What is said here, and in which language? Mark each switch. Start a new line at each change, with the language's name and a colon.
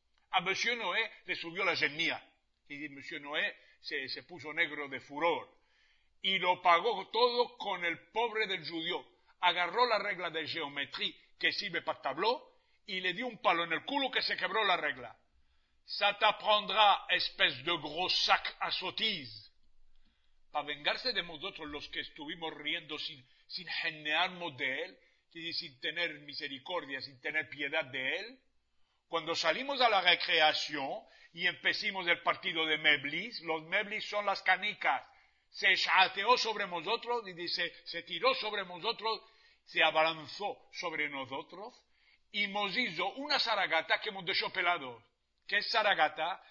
Spanish: A Monsieur Noé le subió la genia, y Monsieur Noé se puso negro de furor, y lo pagó todo con el pobre del judío, agarró la regla de geometría, que sirve para tabló, y le dio un palo en el culo que se quebró la regla.
French: «Ça t'apprendra, espèce de gros sac à sottise!»
Spanish: Para vengarse de nosotros los que estuvimos riendo sin genearnos de él, y sin tener misericordia, sin tener piedad de él, cuando salimos a la recreación y empecimos el partido de Meblis, los Meblis son las canicas, se chateó sobre nosotros y dice, se tiró sobre nosotros, se abalanzó sobre nosotros y nos hizo una zaragata que nos dejó pelados. ¿Qué es zaragata?